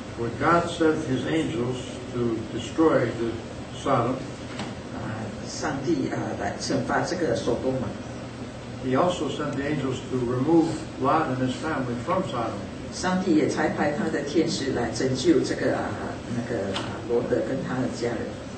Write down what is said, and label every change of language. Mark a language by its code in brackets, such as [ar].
[en] Where God sent his angels to destroy the Sodom. [zh] 上帝来惩罚这个所多玛。 [en] He also sent the angels to remove Lot and his family from Sodom. [zh] 上帝也差派他的天使来拯救这个罗德跟他的家人。